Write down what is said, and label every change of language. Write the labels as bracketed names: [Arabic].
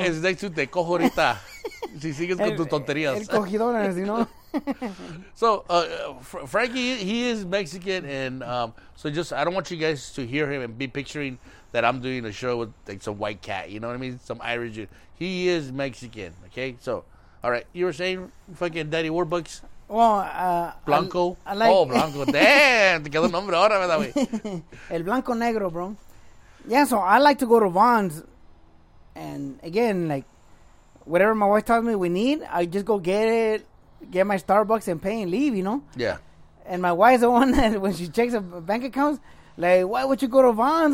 [Spanish] Es de hecho te cojo ahorita. Si sigues con tus tonterías. El cogidones, [English] you know. So, Frankie, he is Mexican, and I don't want you guys to hear him and be picturing that I'm doing a show with like some white cat, you know what I mean? Some Irish dude. He is Mexican, okay? So, all right, you were saying fucking Daddy Warbucks? Well, Blanco? I like... Oh, Blanco. [Spanish] Damn, te quedó nombre ahora, ¿verdad, güey? El Blanco Negro, bro. [English] Yeah, so I like to go to Vons, and again, like, whatever my wife tells me we need, I just go get it. Get my Starbucks and pay and leave, you know? Yeah. And my wife's the one that when she checks her bank accounts, like, why would you go to Vons?